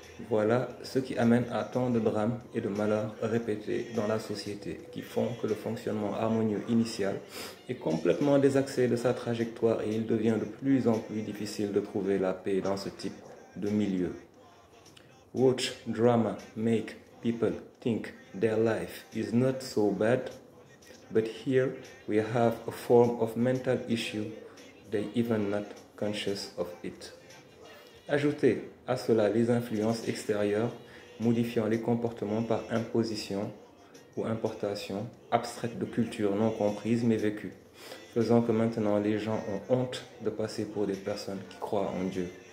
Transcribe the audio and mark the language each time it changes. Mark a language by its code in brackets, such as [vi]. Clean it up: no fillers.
[fr] Voilà ce qui amène à tant de drames et de malheurs répétés dans la société qui font que le fonctionnement harmonieux initial est complètement désaxé de sa trajectoire et il devient de plus en plus difficile de trouver la paix dans ce type de milieu. [en] Watch drama make people think their life is not so bad, but here we have a form of mental issue they even not conscious of it. [fr] Ajoutez à cela les influences extérieures modifiant les comportements par imposition ou importation abstraite de cultures non comprises mais vécues, faisant que maintenant les gens ont honte de passer pour des personnes qui croient en Dieu.